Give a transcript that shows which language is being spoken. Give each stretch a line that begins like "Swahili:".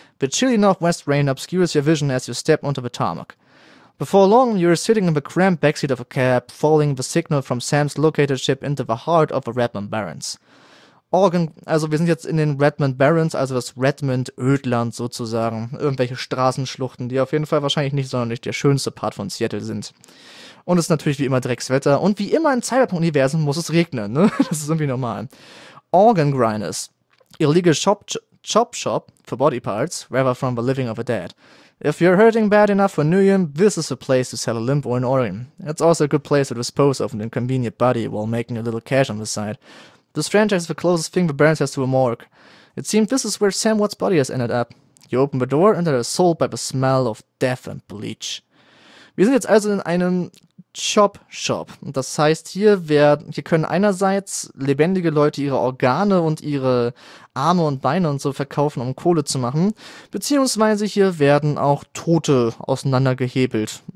English: The chilly northwest rain obscures your vision as you step onto the tarmac. Before long, you are sitting in the cramped backseat of a cab, following the signal from Sam's locator ship into the heart of the Redmond Barrens.
German: Also wir sind jetzt in den Redmond Barrens, also das Redmond Ödland sozusagen. Irgendwelche Straßenschluchten, die auf jeden Fall wahrscheinlich nicht sonderlich der schönste Part von Seattle sind. Und es ist natürlich wie immer Dreckswetter. Und wie immer im Cyberpunk-Universum muss es regnen, ne? Das ist irgendwie normal.
English: Organ Grinders. Illegal Chop Shop for body parts, rather from the living of the dead. If you're hurting bad enough for Nguyen, this is a place to sell a limb or an organ. It's also a good place to dispose of an inconvenient body while making a little cash on the side. This franchise is the closest thing the Barrens has to a morgue. It seems this is where Sam Watt's body has ended up. You open the door and are assaulted by the smell of death and bleach.
German: Wir sind jetzt also in einem Chop-Shop. Und das heißt, hier können einerseits lebendige Leute ihre Organe und ihre Arme und Beine und so verkaufen, um Kohle zu machen. Beziehungsweise hier werden auch Tote auseinandergehebelt.